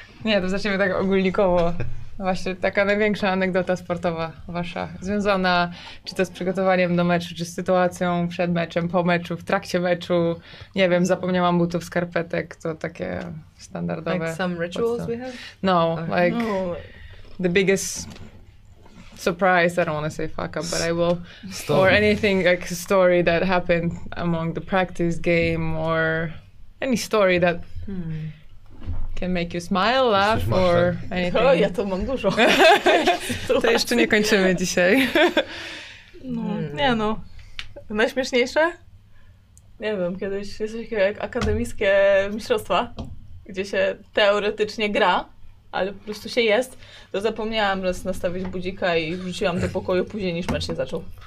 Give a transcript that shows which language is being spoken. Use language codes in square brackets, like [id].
[pl] Nie, to zaczniemy tak ogólnikowo. Właśnie taka największa anegdota sportowa wasza, związana czy to z przygotowaniem do meczu, czy z sytuacją przed meczem, po meczu, w trakcie meczu. Nie wiem, zapomniałam butów, skarpetek, to takie standardowe. [en] Like some rituals [pl] podstawy. [en] We have? No, okay. Like no. The biggest surprise, I don't want to say fuck up, but I will. Story. Or anything, like a story that happened among the practice game, or any story that... can make you smile, laugh, or anything. [pl] O, ja to mam dużo. To jeszcze nie kończymy dzisiaj. No, nie no. Najśmieszniejsze? Nie wiem, kiedyś jest takie jak akademickie mistrzostwa, gdzie się teoretycznie gra, ale po prostu się jest, to zapomniałam raz nastawić budzika i wrzuciłam do pokoju później niż mecz się zaczął.